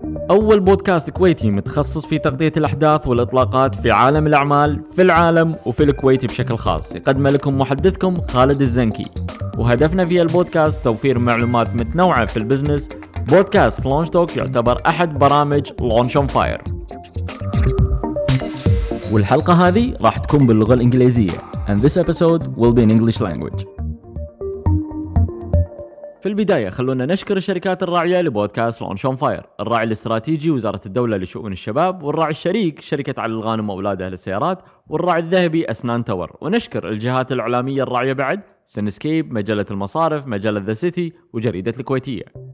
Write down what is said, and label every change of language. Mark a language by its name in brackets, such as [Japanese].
[Arabic] أول بودكاست كويتي متخصص في تغطية الأحداث والإطلاقات في عالم الأعمال في العالم وفي الكويت بشكل خاص، يقدم لكم محدثكم خالد الزنكي، وهدفنا في البودكاست توفير معلومات متنوعة في البزنس. بودكاست لونش توك يعتبر أحد برامج لونش أون فاير، والحلقة هذه راح تكون باللغة الإنجليزية. [English] And this episode will be in English language. [Arabic] في البداية خلونا نشكر الشركات الراعية لبودكاست لونش أون فاير، الراعي الاستراتيجي وزارة الدولة لشؤون الشباب، والراعي الشريك شركة علي الغانم وأولادها للسيارات، والراعي الذهبي أسنان تور. ونشكر الجهات الإعلامية الراعية بعد سينسكيب، مجلة المصارف، مجلة ذا سيتي، وجريدة الكويتية.